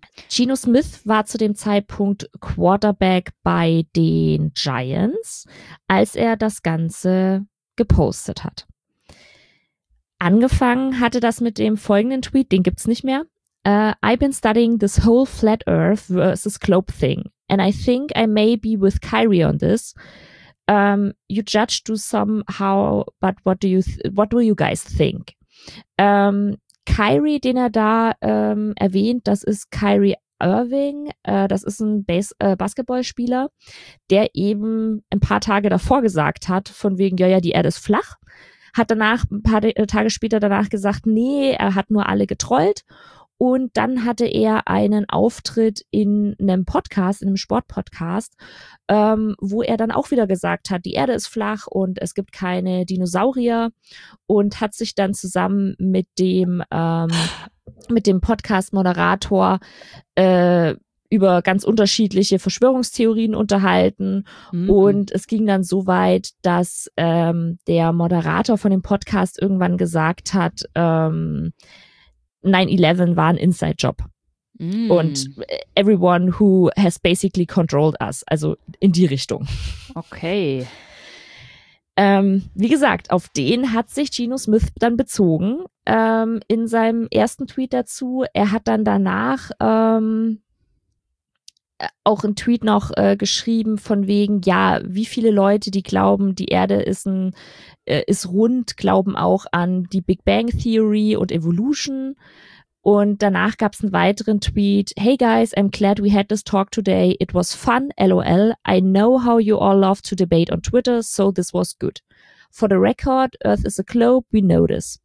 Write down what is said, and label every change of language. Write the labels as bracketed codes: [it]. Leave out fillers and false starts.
[de] Geno Smith war zu dem Zeitpunkt Quarterback bei den Giants, als er das Ganze gepostet hat. Angefangen hatte das mit dem folgenden Tweet, den gibt's nicht mehr. [en] I've been studying this whole flat earth versus globe thing, and I think I may be with Kyrie on this. You judge to somehow, but what do you guys think? [de] Kyrie, den er da erwähnt, das ist Kyrie Irving, das ist ein Basketballspieler, der eben ein paar Tage davor gesagt hat, von wegen, ja, die Erde ist flach, hat danach, ein paar Tage später danach gesagt, nee, er hat nur alle getrollt. Und dann hatte er einen Auftritt in einem Podcast, in einem Sportpodcast, wo er dann auch wieder gesagt hat, die Erde ist flach und es gibt keine Dinosaurier, und hat sich dann zusammen mit dem Podcast-Moderator über ganz unterschiedliche Verschwörungstheorien unterhalten. Mhm. Und es ging dann so weit, dass der Moderator von dem Podcast irgendwann gesagt hat, 9/11 war ein Inside-Job. Mm. [en] Und everyone who has basically controlled us, [de] also in die Richtung. Okay. Wie gesagt, auf den hat sich Geno Smith dann bezogen in seinem ersten Tweet dazu. Er hat dann danach auch einen Tweet noch geschrieben von wegen, ja, wie viele Leute, die glauben, die Erde ist ein ist rund, glauben auch an die Big Bang Theory und Evolution. Und danach gab es einen weiteren Tweet. [en] Hey guys, I'm glad we had this talk today. It was fun, lol. I know how you all love to debate on Twitter, so this was good. For the record, Earth is a globe, we know this.